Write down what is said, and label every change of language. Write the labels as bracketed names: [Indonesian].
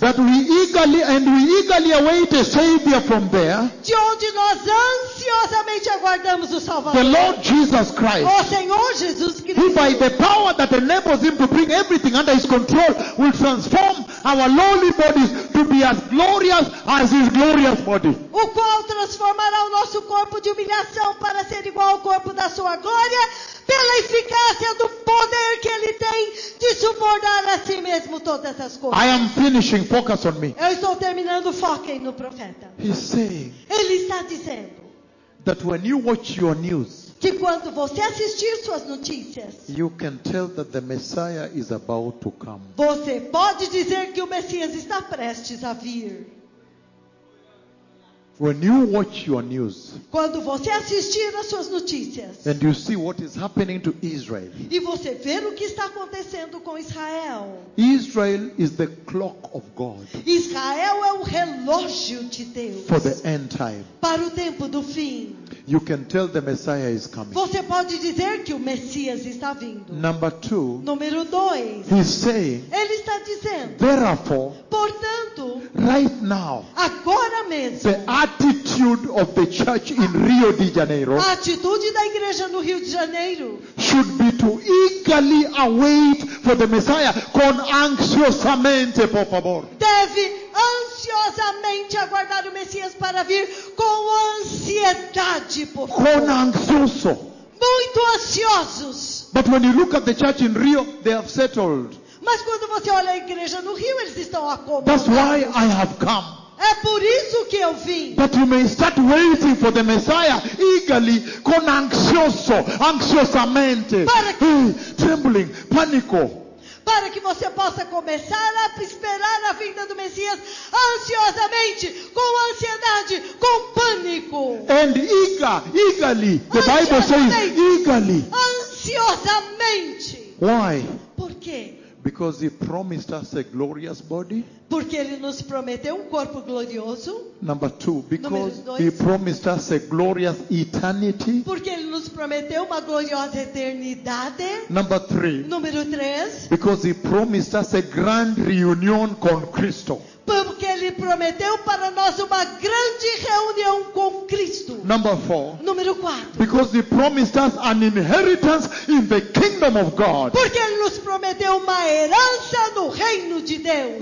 [English] That we eagerly await a savior from there. [Portuguese] De onde nós ansiosamente aguardamos o Salvador. [English] The Lord Jesus Christ. [Portuguese] Senhor Jesus Cristo. [English] Who by the power that enables him to bring everything under his control will transform our lowly bodies to be as glorious as his glorious body. [Portuguese] O qual transformará o nosso corpo de humilhação para ser igual ao corpo da sua glória pela eficácia do poder que ele tem de subordar a si mesmo todas as coisas. [English] I am finishing, focus on me. [Portuguese] Eu estou terminando, foquem no profeta. [English] He's saying, [Portuguese] ele está dizendo [English] that when you watch your news, [Portuguese] que quando você assistir suas notícias, [English] you can tell that the Messiah is about to come. [Portuguese] Você pode dizer que o Messias está prestes a vir. [English] When you watch your news, [Portuguese] quando você assistir às suas notícias, [English] and you see what is happening to Israel, [Portuguese] e você ver o que está acontecendo com Israel, [English] Israel is the clock of God. [Portuguese] Israel é o relógio de Deus. [English] For the end time, [Portuguese] para o tempo do fim, [English] you can tell the Messiah is coming. [Portuguese] Você pode dizer que o Messias está vindo. [English] Number two, [Portuguese] número dois, [English] he's saying, [Portuguese] ele está dizendo, [English] therefore, [Portuguese] portanto, [English] right now, [Portuguese] agora mesmo, [English] the attitude of the church in Rio de Janeiro, [Portuguese] a atitude da igreja no Rio de Janeiro, [English] should be to eagerly await for the Messiah, [Portuguese] con ansiosamente, por favor. Deve ansiosamente aguardar o Messias para vir, com ansiedade, por favor. [Spanish] Con ansioso. [Portuguese] Muito ansiosos. [English] But when you look at the church in Rio, they have settled. [Portuguese] Mas quando você olha a igreja no Rio, eles estão acomodados. [English] That's why I have come. [Portuguese] É por isso que eu vim. [English] But you may start waiting for the Messiah eagerly, [Portuguese] con ansioso, ansiosamente, [English] trembling, [Portuguese] pânico. Para que você possa começar a esperar a vinda do Messias ansiosamente, com ansiedade, com pânico. [English] And eagerly, the Bible says eagerly. [Portuguese] Ansiosamente. [English] Why? [Portuguese] Por quê? [English] Because he promised us a glorious body. [Portuguese] Porque ele nos prometeu um corpo glorioso. [English] Number two, because he promised us a glorious eternity. [Portuguese] Porque ele nos prometeu uma gloriosa eternidade. [English] Number three, [Portuguese] número três, [English] because he promised us a grand reunion [Spanish] con Cristo. [Portuguese] Porque ele prometeu para nós uma grande reunião com Cristo. [English] Number four, [Portuguese] número 4. [English] Because he promised us an inheritance in the kingdom of God. [Portuguese] Porque ele nos prometeu uma herança no reino de Deus.